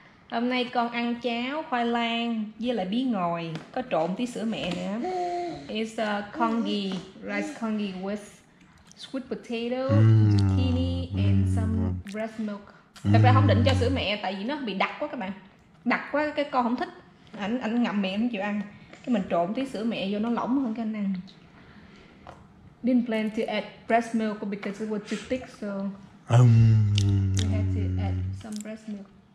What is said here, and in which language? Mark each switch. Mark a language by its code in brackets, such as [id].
[vi] Hôm nay con ăn cháo khoai lang với lại bí ngòi, có trộn tí sữa mẹ nữa. [en] It's a congee, rice congee with sweet potato, zucchini and some breast milk. [vi] Thật ra không định cho sữa mẹ tại vì nó bị đặc quá các bạn. Đặc quá cái con không thích. Anh ngậm miệng không chịu ăn. Cái mình trộn tí sữa mẹ vô nó lỏng hơn cái anh ăn. [en] Didn't plan to add breast milk because it was too thick, so we had to add some breast milk.